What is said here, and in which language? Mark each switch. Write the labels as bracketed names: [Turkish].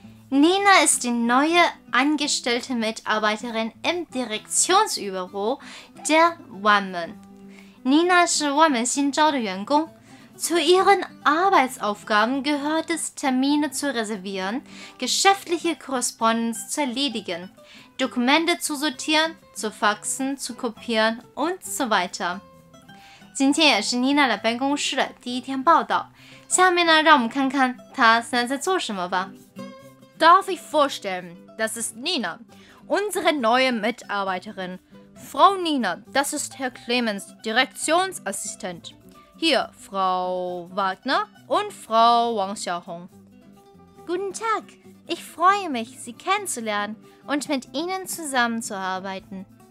[German] Nina ist die neue angestellte Mitarbeiterin im Direktionsbüro der 万门。 [Chinese] Nina 是万门新招的员工。 [German] Zu ihren Arbeitsaufgaben gehört es, Termine zu reservieren, geschäftliche Korrespondenz zu erledigen, Dokumente zu sortieren, zu faxen, zu kopieren und so weiter. [Chinese] 今天也是 Nina 的办公室的第一天报道。下面呢，让我们看看她现在在做什么吧。 [German] Darf ich vorstellen, das ist Nina, unsere neue Mitarbeiterin. Frau Nina, das ist Herr Clemens, Direktionsassistent. Hier, Frau Wagner und Frau Wang Xiaohong. Guten Tag, ich freue mich, Sie kennenzulernen und mit Ihnen zusammenzuarbeiten.